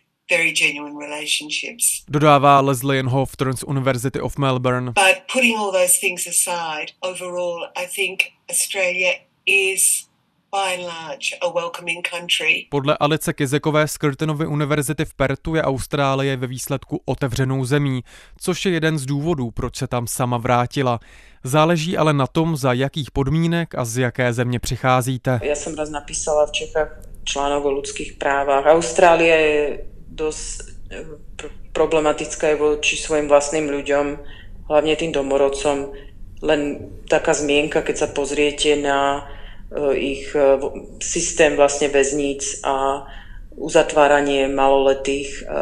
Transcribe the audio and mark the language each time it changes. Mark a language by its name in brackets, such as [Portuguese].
[English] Very genuine relationships. [Czech] Dodává Leslie Hawthorne z University of Melbourne. [English] But putting all those things aside, overall, I think Australia is by and large a welcoming country. [Czech] Podle Alice Kizekové z Curtinovy univerzity v Perthu je Austrálie ve výsledku otevřenou zemí, což je jeden z důvodů, proč se tam sama vrátila. Záleží ale na tom, za jakých podmínek a z jaké země přicházíte. Já jsem [Slovak] raz napísala [Czech] v Čechách článek o lidských právech. [Slovak] Austrálie je dosť problematická je voči svojim vlastným ľuďom, hlavne tým domorodcom. Len taká zmienka, keď sa pozriete na ich systém vlastne väzníc a uzatváranie maloletých.